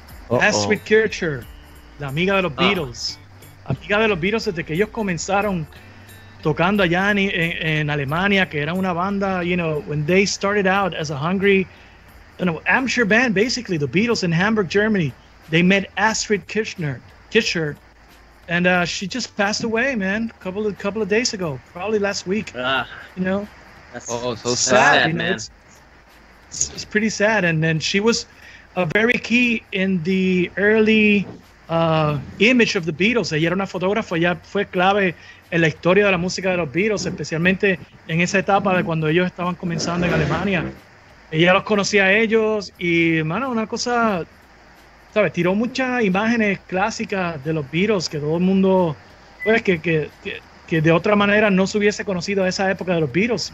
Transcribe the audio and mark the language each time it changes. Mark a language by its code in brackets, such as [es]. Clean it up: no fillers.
[es] Astrid Kircher, la amiga de los Beatles. Amiga de los Beatles desde que ellos comenzaron tocando allá en Alemania, que era una banda, [en] you know, when they started out as a hungry, you know, amateur band, basically, the Beatles in Hamburg, Germany, they met Astrid Kircher, and she just passed away, man, a couple of days ago, probably last week, you know? That's so sad, man. It's pretty sad, and then she was a very key in the early image of the Beatles. [es] Ella era una fotógrafa, ya fue clave en la historia de la música de los Beatles, especialmente en esa etapa de cuando ellos estaban comenzando en Alemania. Ella los conocía a ellos y, mano, una cosa, ¿sabes? Tiró muchas imágenes clásicas de los Beatles que todo el mundo, pues, que de otra manera no se hubiese conocido a esa época de los Beatles.